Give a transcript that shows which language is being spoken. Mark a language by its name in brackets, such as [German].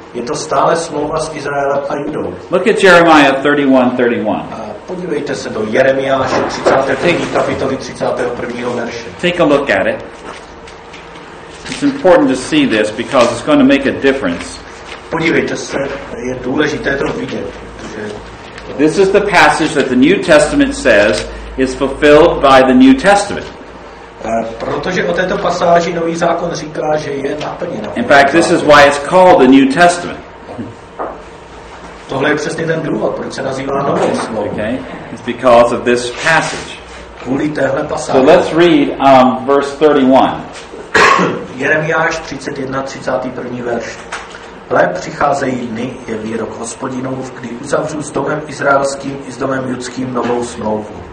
[Czech] Je to stále smlouva s Izraelem a Judou. [English] Look at Jeremiah 31:31. [Czech] Podívejte se do Jeremiáše 31. kapitoly 31. verše. [English] Take a look at it. It's important to see this because it's going to make a difference. [Czech] Podívejte se, je důležité to vidět, protože [English] this is the passage that the New Testament says is fulfilled by the New Testament. [Czech] Protože o této pasáži Nový zákon říká, že je naplněna. [English] In fact, this is why it's called the New Testament. [Czech] Tohle je přesně ten důvod, proč se nazývá novou smlouvou. [English] Okay. It's because of this passage. [Czech] Kvůli téhle pasáži. [English] So let's read verse 31. [Czech] Jeremiáš 31, 31. verš. Hle, přicházejí dny, je výrok Hospodinův, kdy uzavřu s domem izraelským i s domem judským novou smlouvu.